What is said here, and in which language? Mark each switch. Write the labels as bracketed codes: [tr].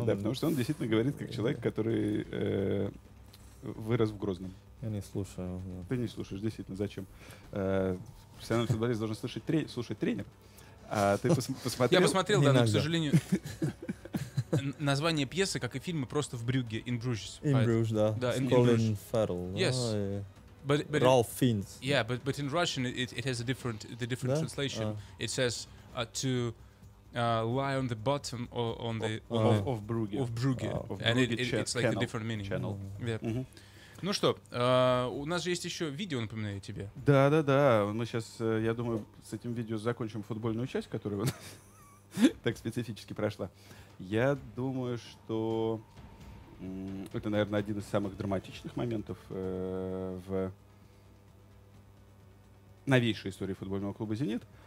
[ru] Да, потому что он действительно говорит как человек, который вырос в Грозном. Я не слушаю. Нет. Ты не слушаешь, действительно, зачем? Профессиональный футболист должен слушать тренер. А ты посмотрел? Я посмотрел, да, но, к сожалению... Название пьесы, как и фильмы, просто в Брюгге, in Bruges. In Bruges, да. Да, [en] in Colin Farrell. Yes. But Ralph Fiennes. Yeah, but in Russian it has a different the translation. It says to lie on the bottom or on the of Brugge. Of Brugge. And it's like channel. A different meaning. Channel. Yeah. [ru] Ну что, у нас же есть еще видео, напоминаю тебе. Да, да, да. Мы сейчас, я думаю, с этим видео закончим футбольную часть, которая у нас так специфически прошла. Я думаю, что это, наверное, один из самых драматичных моментов в новейшей истории футбольного клуба «Зенит».